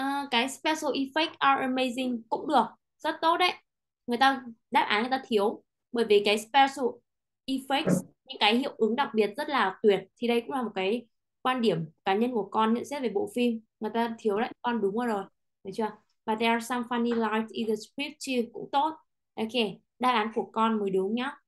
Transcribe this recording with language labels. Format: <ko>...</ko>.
<vi>Cái</vi> <en>special effects are amazing</en> <vi>cũng được, rất tốt đấy. Người ta đáp án người ta thiếu, bởi vì cái special effects, những cái hiệu ứng đặc biệt rất là tuyệt, thì đây cũng là một cái quan điểm cá nhân của con nhận xét về bộ phim. Người ta thiếu đấy, con đúng rồi, được chưa?</vi> <en>But there are some funny lines in the script too,</en> <vi>cũng tốt. Ok, đáp án của con mới đúng nhá.</vi>